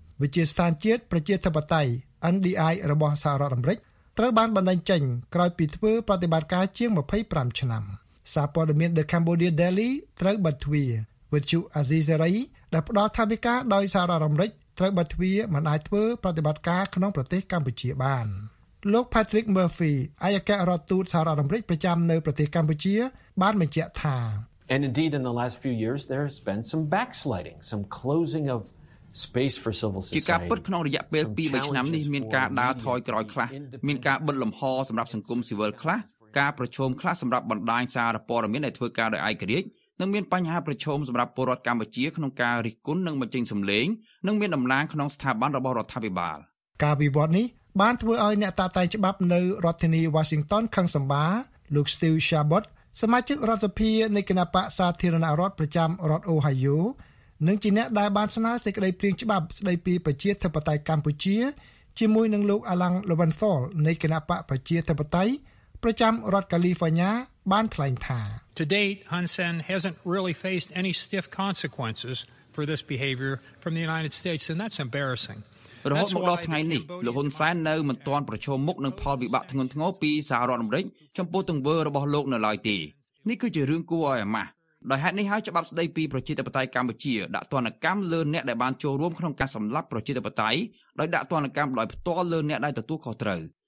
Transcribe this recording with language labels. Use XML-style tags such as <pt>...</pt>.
<km>វិជាស្ថានជាតិប្រជាធិបតេយ្យ NDI របស់សហរដ្ឋអាមេរិកត្រូវបានបណ្ដឹងចេញក្រោយពីធ្វើប្រតិបត្តិការជាង25ឆ្នាំសារព័ត៌មាន The Cambodia Daily ត្រូវបិទទ្វារវិទ្យុ Azizi ដែលផ្ដល់ថាវិការដោយសហរដ្ឋអាមេរិកត្រូវបិទទ្វារមិនអាចធ្វើប្រតិបត្តិការក្នុងប្រទេសកម្ពុជាបានលោក Patrick Murphy អាយកៈរដ្ឋទូតសហរដ្ឋអាមេរិកប្រចាំនៅប្រទេសកម្ពុជាបានបញ្ជាក់ថា</km> <en>And indeed in the last few years there's been some backsliding some closing ofspace for civil society</en> <km>ជាការពិតក្នុងរយៈពេល2-3ឆ្នាំនេះមានការដើរថយក្រោយខ្លះមានការបិទលំហសម្រាប់សង្គមស៊ីវិលខ្លះការប្រឈមខ្លះសម្រាប់បណ្ដាញសារព័ត៌មានដែលធ្វើការដោយឯករាជ្យនិងមានបញ្ហាប្រឈមសម្រាប់ពលរដ្ឋកម្ពុជាក្នុងការរិះគន់និងបញ្ចេញសំឡេងនិងមានដំណាងក្នុងស្ថាប័នរបស់រដ្ឋាភិបាល ការវិវត្តនេះបានធ្វើឲ្យអ្នកតតែងច្បាប់នៅរដ្ឋធានី Washington ខឹងសម្បាលោក Steve Chabot សមាជិករដ្ឋសភានៃគណបកសាធារណរដ្ឋប្រចាំរដ្ឋ Ohioនឹងជាអ្នកដែលបានស្នើសេចក្តីព្រៀងច្បាប់ស្តីពីប្រជាធិបតេយ្យកម្ពុជាជាមួយនឹងលោកអាឡង់លូវិនហ្វុលនៃគណៈបកប្រជាធិបតេយ្យប្រចាំរដ្ឋកាលីហ្វ័រញ៉ាបានថ្លែងថា</km> <en>To date Hun Sen hasn't really faced any stiff consequences for this behavior from the United States and that's embarrassing</en> <km>រហូតមកដល់ថ្ងៃនេះលោកហ៊ុនសែននៅមិនទាន់ប្រឈមមុខនឹងផលវិបាកធ្ងន់ធ្ងរពីសហរដ្ឋអាមេរិកចំពោះទង្វើរបស់លោកនៅឡើយទេនេះគឺជារឿងគួរឲ្យអាម៉ាស់ដោយហេតុនេះហើយច្បាប់ស្តីពីប្រជាធិបតេយ្យកម្ពុជាដាក់ទណ្ឌកម្មលើអ្នកដែលបានចូលរួមក្នុងការសម្លាប់ប្រជាធិបតេយ្យដោយដាក់ទណ្ឌកម្មដោយផ្ទាល់លើអ្នកដែលទទួលខុសត្រូវ</km>